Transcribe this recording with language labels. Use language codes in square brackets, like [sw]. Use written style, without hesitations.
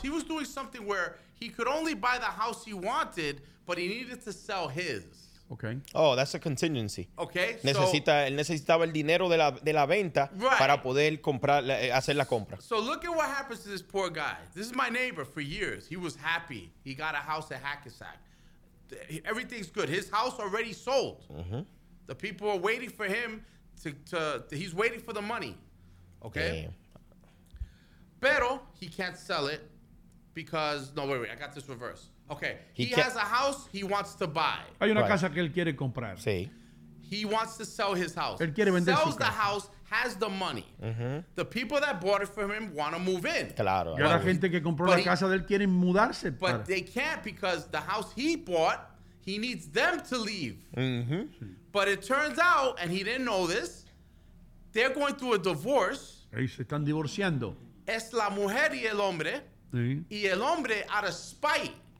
[en] He was doing something where he could only buy the house he wanted, but he needed to sell his. Okay. Oh, that's a contingency. Okay. [es] Necesitaba el dinero de la venta para poder comprar, hacer la compra. [en] So look at what happens to this poor guy. This is my neighbor for years. He was happy. He got a house at Hackensack. Everything's good. His house already sold. The people are waiting for him he's waiting for the money. Okay. Damn. [es] Pero [en] he can't sell it because I got this reverse. Okay. He has a house he wants to buy. [es] Hay una casa que él quiere comprar. Sí. [en] He wants to sell his house. [es] Él quiere vender [en] sells [es] su [en] the [es] casa. [en] House, has the money. The people that bought it from him want to move in. [es] Claro. Y la gente que compró la casa de él quiere mudarse. [en] But they can't because the house he bought, he needs them to leave. But it turns out, and he didn't know this, they're going through a divorce. [es] Ahí se están divorciando. Es la mujer y el hombre. Sí. Y el hombre, [en] out of spite.